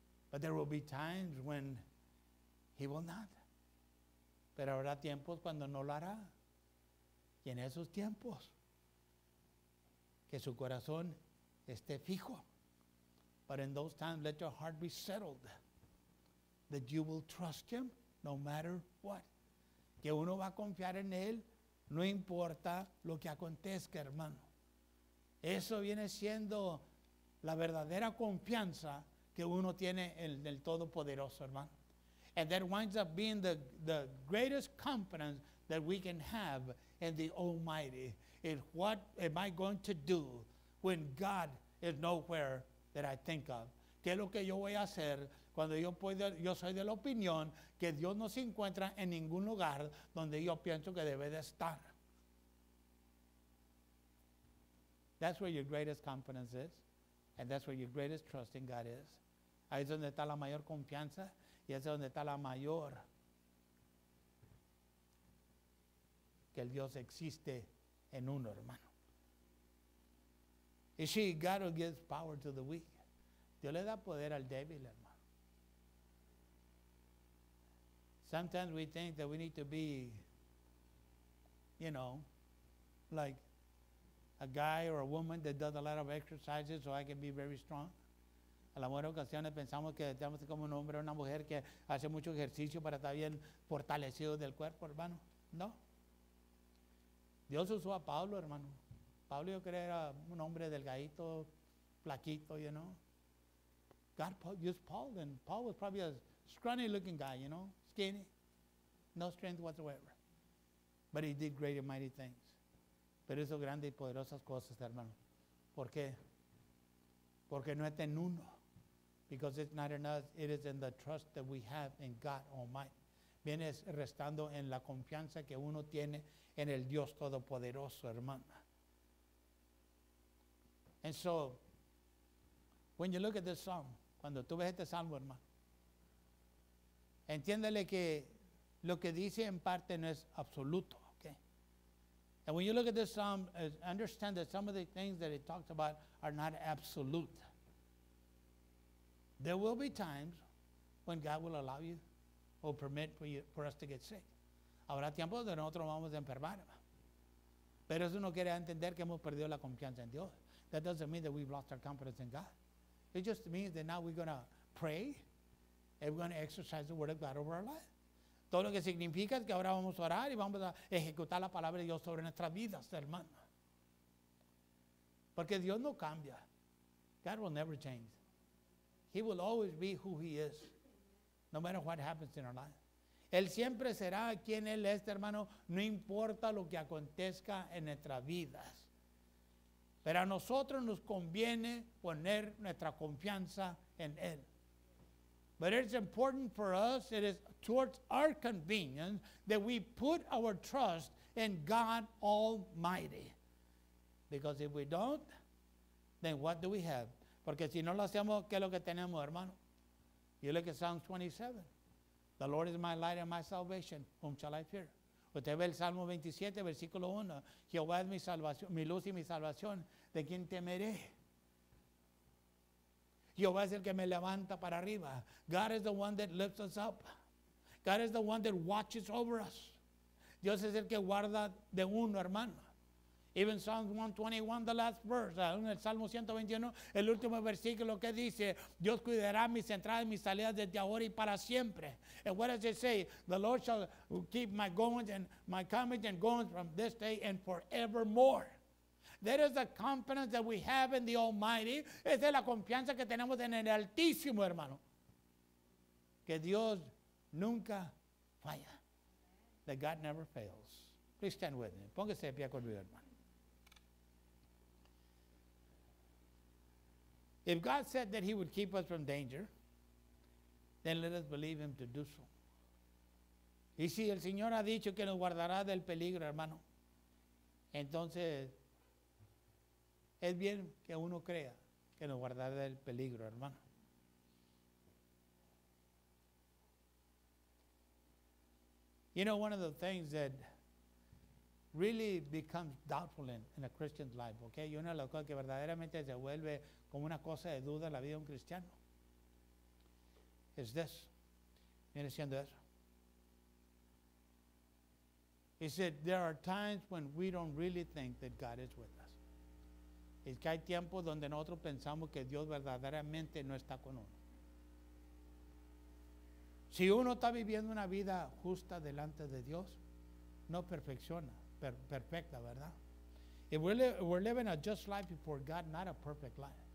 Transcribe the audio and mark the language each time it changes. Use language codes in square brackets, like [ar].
[en] But there will be times when He will not. [es] Pero habrá tiempos cuando no lo hará. Y en esos tiempos, que su corazón esté fijo [en] But in those times, let your heart be settled that you will trust him no matter what. [es] Que uno va a confiar en él no importa lo que acontezca, hermano. Eso viene siendo la verdadera confianza que uno tiene en el Todopoderoso, hermano. [en] And that winds up being the greatest confidence that we can have in the Almighty. Is what am I going to do when God is nowhere that I think of? [es] ¿Qué es lo que yo voy a hacer cuando yo soy de la opinión que Dios no se encuentra en ningún lugar donde yo pienso que debe de estar? [en] That's where your greatest confidence is. And that's where your greatest trust in God is. [es] Ahí es donde está la mayor confianza y ahí es donde está la mayor que el Dios existe en uno, hermano. [en] You see, God will give power to the weak. [es] Dios le da poder al débil, hermano. [en] Sometimes we think that we need to be, you know, like a guy or a woman that does a lot of exercises so I can be very strong. [es] A la mejor ocasión pensamos que tenemos que como un hombre o una mujer que hace mucho ejercicio para estar bien fortalecido del cuerpo, hermano. No. Dios usó a Pablo, hermano. Pablo, yo creo, era un hombre delgadito, flaquito, [en] you know. God used Paul, and Paul was probably a scrawny looking guy, you know, skinny, no strength whatsoever. But he did great and mighty things. [es] Pero hizo grandes y poderosas cosas, hermano. ¿Por qué? Porque no está en uno. [en] Because it's not in us, it is in the trust that we have in God Almighty. [es] Viene restando en la confianza que uno tiene en el Dios Todopoderoso, hermano. [en] And so, when you look at this psalm, [es] cuando tú ves este salmo, hermano, entiéndale que lo que dice en parte no es absoluto, okay? [en] And when you look at this psalm, understand that some of the things that it talks about are not absolute. There will be times when God will allow you or permit for us to get sick. [es] Habrá tiempos donde nosotros vamos a enfermar, hermano. Pero eso no quiere entender que hemos perdido la confianza en Dios. [en] That doesn't mean that we've lost our confidence in God. It just means that now we're going to pray and we're going to exercise the word of God over our life. [es] Todo lo que significa es que ahora vamos a orar y vamos a ejecutar la palabra de Dios sobre nuestras vidas, hermano. Porque Dios no cambia. [en] God will never change. He will always be who he is, no matter what happens in our life. [es] Él siempre será quien él es, hermano, no importa lo que acontezca en nuestras vidas. Pero a nosotros nos conviene poner nuestra confianza en él. [en] But it's important for us, it is towards our convenience, that we put our trust in God Almighty. Because if we don't, then what do we have? [es] Porque si no lo hacemos, ¿qué es lo que tenemos, hermano? [en] You look at Psalms 27. The Lord is my light and my salvation. Whom shall I fear? [es] Usted ve el Salmo 27, versículo 1. Jehová es mi salvación, mi luz y mi salvación. ¿De quién temeré? Jehová es el que me levanta para arriba. [en] God is the one that lifts us up. God is the one that watches over us. [es] Dios es el que guarda de uno, hermano. [en] Even Psalms 121, the last verse. [es] En el Salmo 121, el último versículo que dice, Dios cuidará mis entradas y mis salidas desde ahora y para siempre. [en] And what does it say? The Lord shall keep my goings and my comings and goings from this day and forevermore. That is the confidence that we have in the Almighty. [es] Esa es la confianza que tenemos en el Altísimo, hermano. Que Dios nunca falla. [en] That God never fails. Please stand with me. [es] Póngase de pie conmigo, hermano. [en] If God said that he would keep us from danger, then let us believe him to do so. [es] Y si el Señor ha dicho que nos guardará del peligro, hermano, entonces es bien que uno crea que nos guardará del peligro, hermano. [en] You know, one of the things that really becomes doubtful in a Christian's life, okay? [es] Y una de las cosas que verdaderamente se vuelve como una cosa de duda en la vida de un cristiano. Es [en] this. [es] Viene siendo eso. [en] He said, there are times when we don't really think that God is with us. [es] es que hay tiempos donde nosotros pensamos que Dios verdaderamente no está con uno. Si uno está viviendo una vida justa delante de Dios, no perfecciona, perfecta, ¿verdad? [en] If we're living a just life before God, not a perfect life.